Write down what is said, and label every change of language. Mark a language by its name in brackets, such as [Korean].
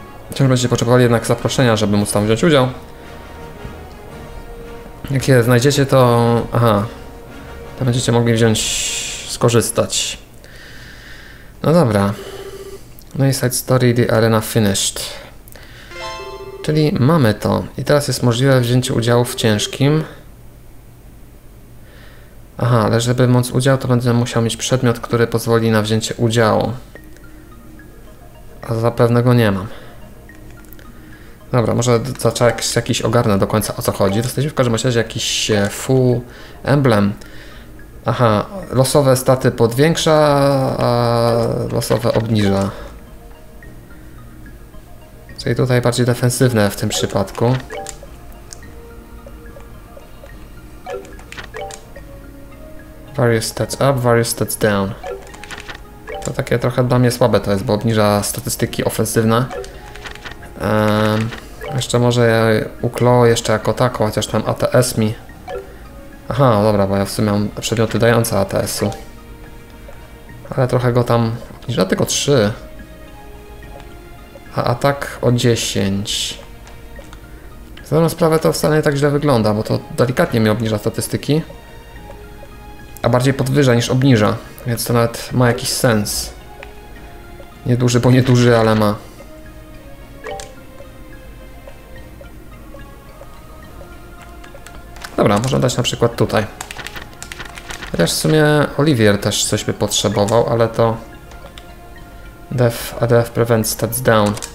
[Polish] Wciąż będziecie potrzebowali jednak zaproszenia, żeby móc tam wziąć udział. Jak je znajdziecie, to... aha. To będziecie mogli wziąć... skorzystać. No dobra. No i [English] side story, the arena finished. [Polish] Czyli mamy to. I teraz jest możliwe wzięcie udziału w ciężkim. Aha, ale żeby móc udział, to będę musiał mieć przedmiot, który pozwoli na wzięcie udziału. A zapewne go nie mam. Dobra, może zaczekaj jakiś ogarnę do końca, o co chodzi. Dostaliśmy w każdym razie jakiś full emblem. Aha, losowe staty podwiększa, a losowe obniża. Czyli tutaj bardziej defensywne w tym przypadku. [English] Various stats up, various stats down. [Polish] To takie trochę dla mnie słabe to jest, bo obniża statystyki ofensywne. Jeszcze może ja uklo jeszcze jako tako, chociaż tam ATS mi... aha, dobra, bo ja w sumie mam przedmioty dające ATS-u. Ale trochę go tam... obniża tylko 3. A atak o 10. Zdaję sprawę, to wcale nie tak źle wygląda, bo to delikatnie mi obniża statystyki. A bardziej podwyża niż obniża, więc to nawet ma jakiś sens. Nieduży, bo nieduży, ale ma. Dobra, można dać na przykład tutaj. Chociaż w sumie Olivier też coś by potrzebował, ale to [English] Death, a death prevents stats down.